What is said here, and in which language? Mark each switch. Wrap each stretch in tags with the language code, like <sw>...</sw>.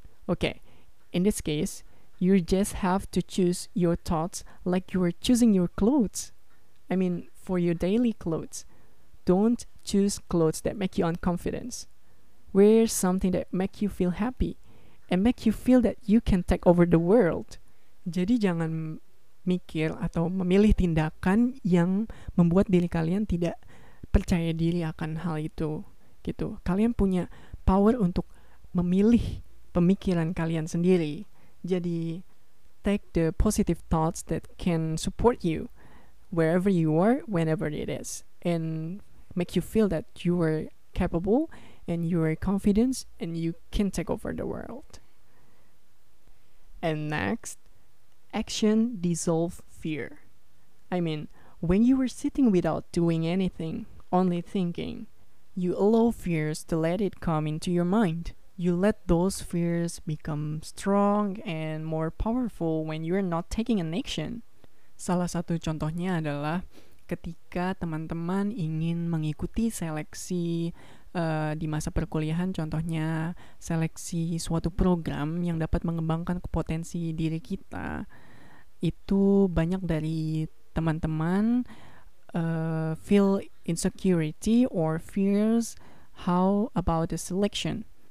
<en>Okay, in this case, you just have to choose your thoughts like you are choosing your clothes. I mean, for your daily clothes. Don't choose clothes that make you unconfident. Wear something that make you feel happy and make you feel that you can take over the world.</en> <id>Jadi jangan mikir atau memilih tindakan yang membuat diri kalian tidak percaya diri akan hal itu gitu. Kalian punya power untuk memilih pemikiran kalian sendiri.</id> <en>Jadi take the positive thoughts that can support you wherever you are, whenever it is, and make you feel that you are capable and you are confident and you can take over the world. And next, action dissolve fear. I mean, when you were sitting without doing anything, only thinking, you allow fears to let it come into your mind. You let those fears become strong and more powerful when you're not taking an action.</en> <id>Salah satu contohnya adalah ketika teman-teman ingin mengikuti seleksi di masa perkuliahan, contohnya seleksi suatu program yang dapat mengembangkan potensi diri kita, itu banyak dari teman-teman</id> <en>feel insecurity or fears how about the selection.</en>